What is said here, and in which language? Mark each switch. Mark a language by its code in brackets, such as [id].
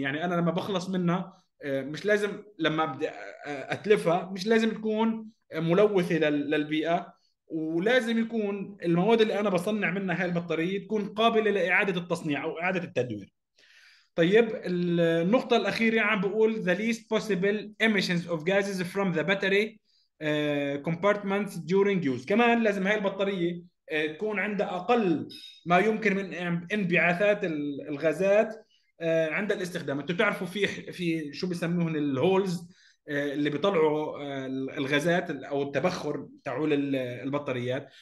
[ar] يعني أنا لما بخلص منها مش لازم، لما بدي أتلفها مش لازم تكون ملوثة للبيئة، ولازم يكون المواد اللي أنا بصنع منها هاي البطارية تكون قابلة لإعادة التصنيع أو إعادة التدوير. طيب النقطة الأخيرة عم بقول [en] the least possible emissions of gases from the battery compartments during use. [ar] كمان لازم هاي البطارية تكون عندها أقل ما يمكن من انبعاثات الغازات عند الاستخدام. أنتوا بتعرفوا في شو بسموهن الهولز اللي بيطلعوا الغازات أو التبخر تعول البطاريات.